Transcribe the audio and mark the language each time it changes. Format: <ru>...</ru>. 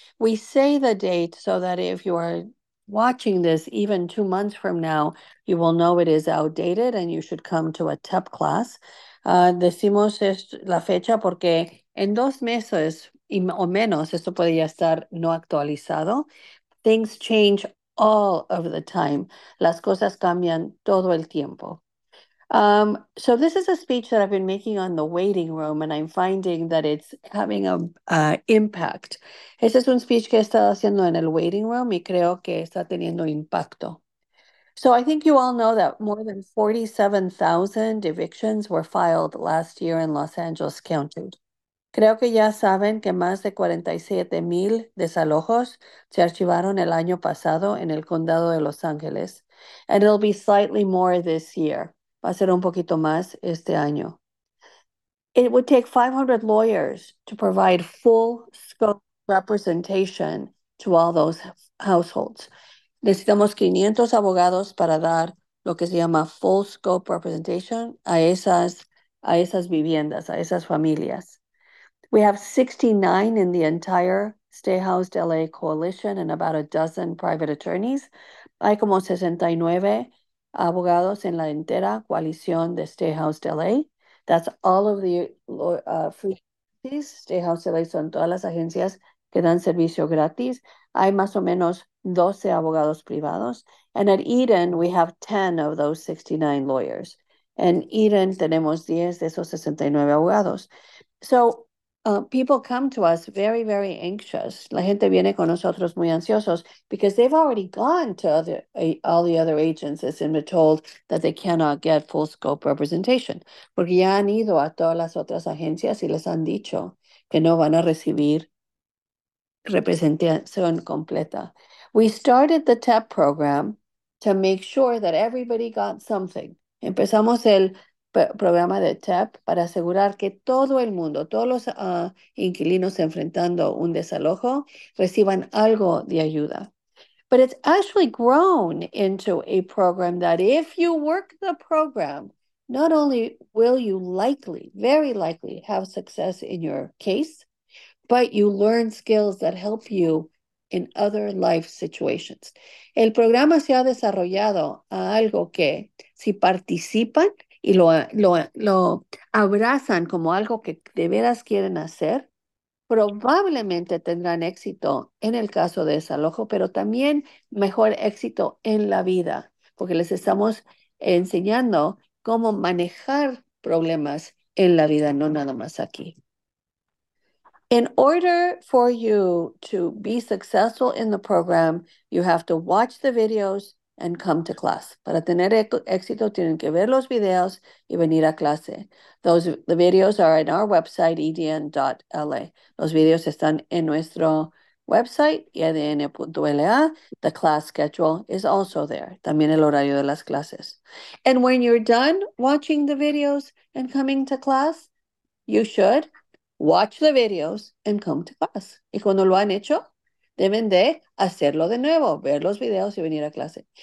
<en>We say the date so that if you are watching this even 2 months from now, you will know it is outdated and you should come to a TEP class.</en> <es>Decimos es la fecha porque en 2 meses o menos, esto puede ya estar no actualizado.</es> <en>Things change all of the time. Las cosas cambian todo el tiempo. So this is a speech that I've been making on the waiting room, and I'm finding that it's having a impact.</en> <es>Este es un speech que he estado haciendo en el waiting room y creo que está teniendo impacto.</es> <en>So I think you all know that more than 47,000 evictions were filed last year in Los Angeles County.</en> <es>Creo que ya saben que más de 47,000 desalojos se archivaron el año pasado en el condado de Los Ángeles, and it'll be slightly more this year. Va a ser un poquito más este año.</es> <en>It would take 500 lawyers to provide full scope representation to all those households.</en> <es>Necesitamos 500 abogados para dar lo que se llama full scope representation a esas viviendas, a esas familias.</es> <en>We have 69 in the entire Stayhouse LA coalition and about a dozen private attorneys.</en> <es>Hay como 69 abogados en la entera coalición de Stayhouse LA.</es> <en>That's all of the free agencies. Stayhouse LA son todas las agencias que dan servicio gratis.</en> <es>Hay más o menos 12 abogados privados.</es> <en>And at Eden, we have 10 of those 69 lawyers.</en> <es>En Eden, tenemos 10 de esos 69 abogados.</es> <en>So people come to us very, very anxious.</en> <es>La gente viene con nosotros muy ansiosos because they've already gone to all the other agencies and been told that they cannot get full scope representation. Porque ya han ido a todas las otras agencias y les han dicho que no van a recibir representación completa.</es> <en>We started the TEP program to make sure that everybody got something.</en> <es>Empezamos el programa de TEP para asegurar que todo el mundo, todos los inquilinos enfrentando un desalojo, reciban algo de ayuda.</es> <en>But it's actually grown into a program that if you work the program, not only will you likely, very likely, have success in your case, but you learn skills that help you in other life situations.</en> <es>El programa se ha desarrollado a algo que, si participan, y lo abrazan como algo que de veras quieren hacer, probablemente tendrán éxito en el caso de desalojo, pero también mejor éxito en la vida, porque les estamos enseñando cómo manejar problemas en la vida, no nada más aquí.</es> <en>In order for you to be successful in the program, you have to watch the videos and come to class.</en> <es>Para tener éxito, tienen que ver los videos y venir a clase.</es> <en>The videos are in our website, edn.la.</en> <es>Los videos están en nuestro website, edn.la.</es> <en>The class schedule is also there. También el horario de las clases. And when you're done watching the videos and coming to class, you should watch the videos and come to class.</en> <es>Y cuando lo han hecho, deben de hacerlo de nuevo, ver los videos y venir a clase.</es>